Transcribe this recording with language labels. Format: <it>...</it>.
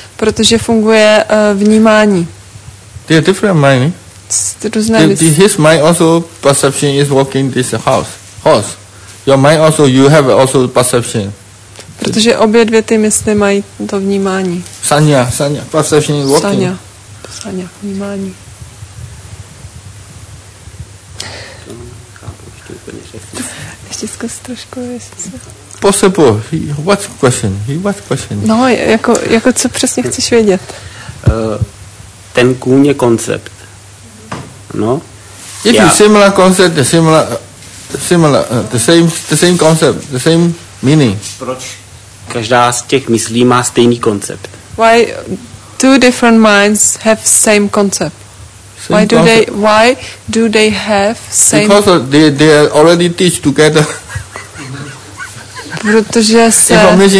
<cs>Protože funguje vnímání.</cs> <en>They are different mind. His mind also perception is working this horse. Your mind also, you have also perception.</en> <cs>Protože obě dvě ty mysli mají to vnímání.</cs> <en>Sanya, perception is working.</en> <cs>Sanya, vnímání. Ještě zkus trošku, jestli</cs> <en>Possible. What question?</en> <cs>No, jako co přesně chceš vědět? Ten kůň je koncept. No.</cs> <en>If you similar concept, the same concept, the same meaning.</en> <cs>Proč každá z těch myslí má stejný koncept?</cs> <en>Why two different minds have same concept? Why do they have same? Because they already teach together.</en> <cs>Protože se</cs>